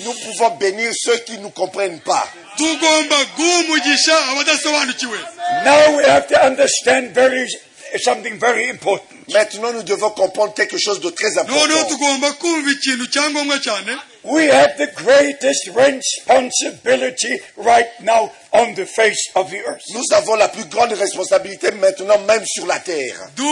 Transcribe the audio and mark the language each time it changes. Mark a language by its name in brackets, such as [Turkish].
[French] Nous pouvons bénir ceux qui ne nous comprennent pas. [English] Now we have to understand something very important. [French] Maintenant, nous devons comprendre quelque chose de très important. [English] We have the greatest responsibility right now on the face of the earth. [French] Nous avons la plus grande responsabilité maintenant même sur la terre.